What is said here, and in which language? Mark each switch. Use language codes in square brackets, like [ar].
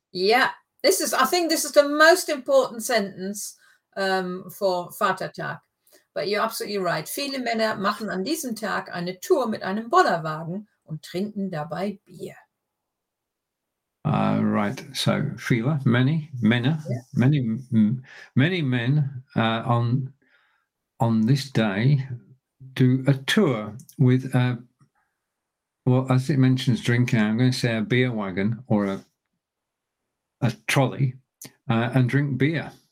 [en] Yeah, I think this is the most important sentence for Vatertag. But you're absolutely right. [de] Viele Männer machen an diesem Tag eine Tour mit einem Bollerwagen und trinken dabei Bier. [en] Right, so viele, many men on this day do a tour with a, well, as it mentions drinking, I'm going to say a beer wagon or a trolley and drink beer.